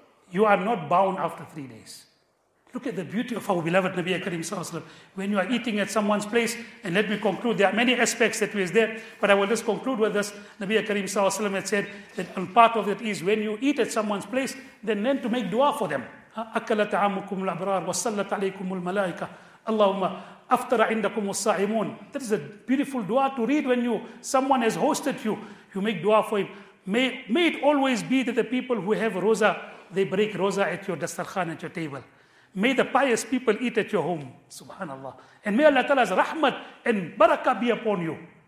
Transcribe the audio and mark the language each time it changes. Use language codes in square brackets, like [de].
[en] You are not bound after 3 days. Look at the beauty of our beloved Nabi Karim Sallallahu Alaihi Wasallam. When you are eating at someone's place, and let me conclude, there are many aspects that was there, but I will just conclude with this. Nabi Karim Sallallahu Alaihi Wasallam had said that on part of it is when you eat at someone's place, then learn to make dua for them. [ar] أَكَلَ تَعَامُكُمُ الْأَبْرَارُ وَسَلَّتْ عَلَيْكُمُ الْمَلَائِكَةُ Allahumma aftara indakum wassa'imun. [en] That is a beautiful dua to read when someone has hosted you. You make dua for him. May it always be that the people who have roza, they break roza at your dastarkhan, at your table. May the pious people eat at your home. Subhanallah. And may Allah Ta'ala's rahmat and barakah be upon you.